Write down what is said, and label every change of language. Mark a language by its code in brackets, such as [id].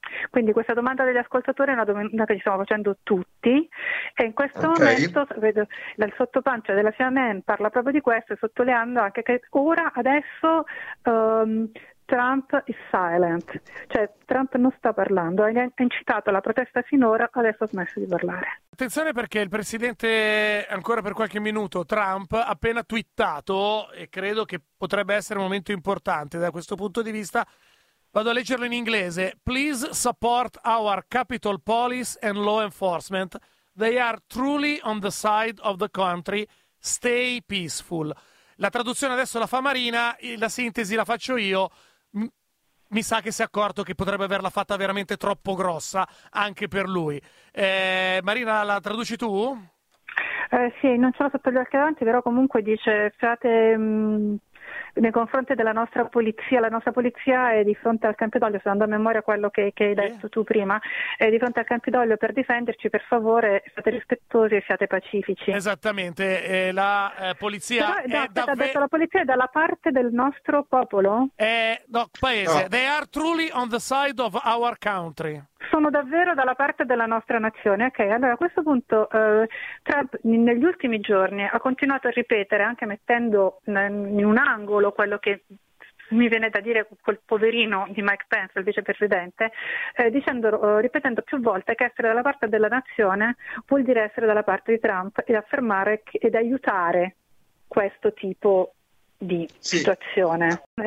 [it] Quindi questa domanda degli ascoltatori è una domanda che ci stiamo facendo tutti, e in questo momento vedo dal sottopancia della CNN parla proprio di questo, sottolineando anche che ora adesso [en] Trump is silent, [it] cioè Trump non sta parlando, ha incitato la protesta finora, adesso ha smesso di parlare. Attenzione, perché il presidente, ancora per qualche minuto, Trump ha appena twittato, e credo che potrebbe essere un momento importante da questo punto di vista. Vado a leggerlo in inglese. [en] Please support our Capitol Police and law enforcement. They are truly on the side of the country. Stay peaceful. [it] La traduzione adesso la fa Marina, la sintesi la faccio io. Mi sa che si è accorto che potrebbe averla fatta veramente troppo grossa anche per lui. Marina, la traduci tu? Sì, non ce l'ho sotto gli occhi davanti, però comunque dice fate nei confronti della nostra polizia, la nostra polizia è di fronte al Campidoglio, stando a memoria quello che hai detto tu prima, è di fronte al Campidoglio per difenderci, per favore siate rispettosi e siate pacifici. Esattamente, la polizia Ha detto la polizia è dalla parte del nostro popolo? Paese, no. [en] They are truly on the side of our country. [it] Sono davvero dalla parte della nostra nazione. Ok, allora a questo punto Trump negli ultimi giorni ha continuato a ripetere, anche mettendo in un angolo quello che mi viene da dire, quel poverino di Mike Pence, il vicepresidente, dicendo, ripetendo più volte che essere dalla parte della nazione vuol dire essere dalla parte di Trump ed affermare ed aiutare questo tipo di situazione. Sì.